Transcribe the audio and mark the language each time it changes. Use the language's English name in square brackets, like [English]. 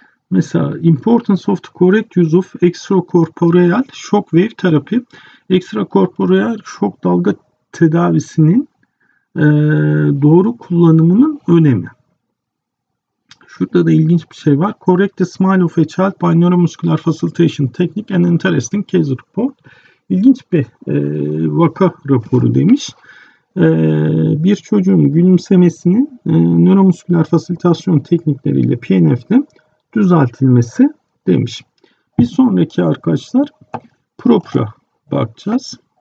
[Turkish] Mesela [English] importance of the correct use of extracorporeal shockwave therapy. [Turkish] Extracorporeal şok dalga tedavisinin doğru kullanımının önemi. Şurada da ilginç bir şey var. [English] Correct the smile of a child by neuromuscular facilitation technique and interesting case report. [Turkish] İlginç bir vaka raporu demiş. Bir çocuğun gülümsemesinin nöromusküler fasilitasyon teknikleriyle PNF'de düzeltilmesi demiş. Bir sonraki arkadaşlar PROPRA bakacağız.